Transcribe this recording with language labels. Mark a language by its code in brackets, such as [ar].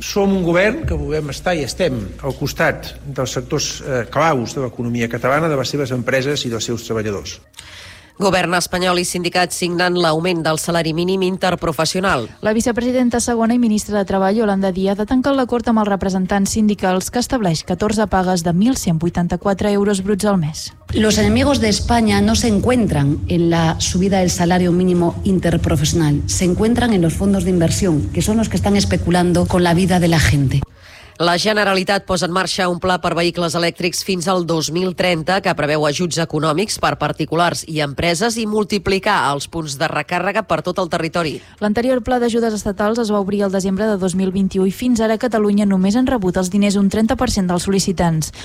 [ca] Som un govern que volem estar i estem al costat dels sectors claus de l'economia catalana, de les seves empreses i dels seus treballadors. Govern espanyol i sindicats signen l'augment del salari mínim interprofessional. La vicepresidenta segona i ministra de Treball, Yolanda Díaz, ha tancat l'acord amb els representants sindicals que estableix 14 pagues de 1.184 euros bruts al mes. [es] Los enemigos de España no se encuentran en la subida del salario mínimo interprofesional, se encuentran en los fondos de inversión, que son los que están especulando con la vida de la gente. [ca] La Generalitat posa en marxa un pla per vehicles elèctrics fins al 2030 que preveu ajuts econòmics per particulars i empreses i multiplicar els punts de recàrrega per tot el territori. L'anterior pla d'ajudes estatals es va obrir el desembre de 2021 i fins ara Catalunya només han rebut els diners un 30% dels sol·licitants.